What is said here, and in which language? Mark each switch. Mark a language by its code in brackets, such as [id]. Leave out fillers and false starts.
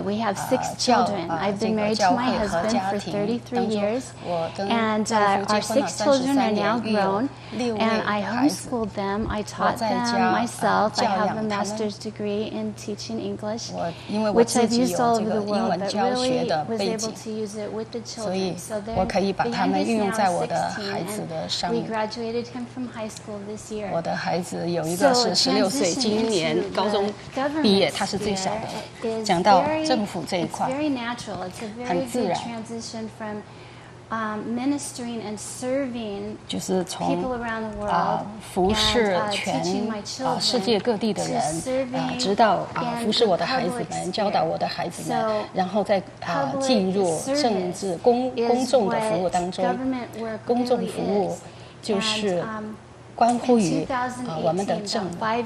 [en] We have 6 children. I've been married to my husband for 33 years, and our 6 children are now grown, and I homeschooled them. I taught them myself. I have a master's degree in teaching English, which I've used all over the world, but really was able to use it with the children. So they're the youngest now 16, and we graduated him from high school this year. [zh] 我的孩子有一个是16岁，今年高中毕业，他是最小的。讲到政府这一块，很自然。 [en] It's a very good transition from ministering and serving people around the world. [zh] 服侍全世界各地的人，直到服侍我的孩子们，教导我的孩子们，然后再进入政治公众的服务当中，公众服务。就是关乎于我们的政府。